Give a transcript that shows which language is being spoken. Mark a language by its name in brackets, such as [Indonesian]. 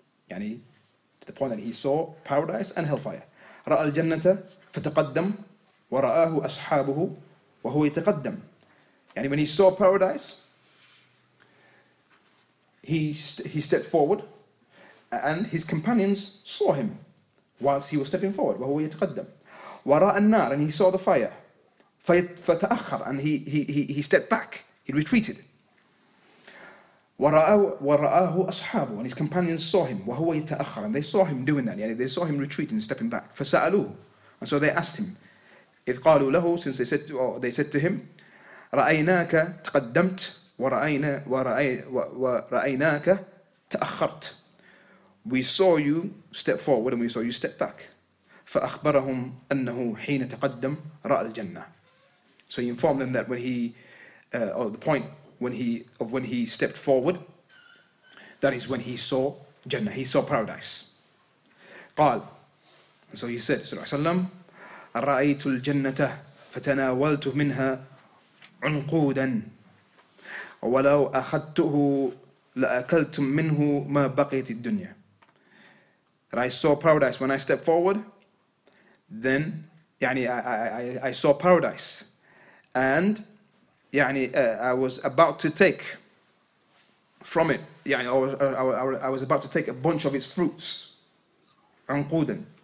[English] يعني to the point that He saw paradise and hellfire. [Arabic] رأى الجنة فتقدم ورآه أصحابه وهو يتقدم. [English] يعني when He saw paradise. He stepped forward, and his companions saw him whilst he was stepping forward. [Arabic] وهو يتقدم وراء النار [English] and he saw the fire. [Arabic] فتأخر [English] and he stepped back. He retreated. [Arabic] وراءه أصحابه [English] and his companions saw him. [Arabic] وهو يتأخر [English] and they saw him doing that. Yani they saw him retreating, stepping back. [Arabic] فسألوه [English] and so they asked him. [Arabic] إذ قالوا له [English] since they said to him, [Arabic] رأيناك تقدمت. ورأيناك تأخرت. [English] We saw you step forward and we saw you step back. [Arabic] فأخبرهم أنه حين تقدم رأى الجنة. [English] So he informed them that when he, or the point when he of when he stepped forward, that is when he saw Jannah. He saw paradise. [Arabic] قال. [English] So he said, [Arabic] صلى الله عليه وسلم, رأيت الجنة فتناولت منها عنقودا. ولو أخذته لأكلتم منه ما بقيت الدنيا. [English] And I saw paradise when I stepped forward. Then, يعني I saw paradise, and يعني I was about to take from it. يعني I was about to take a bunch of its fruits. عنقودا.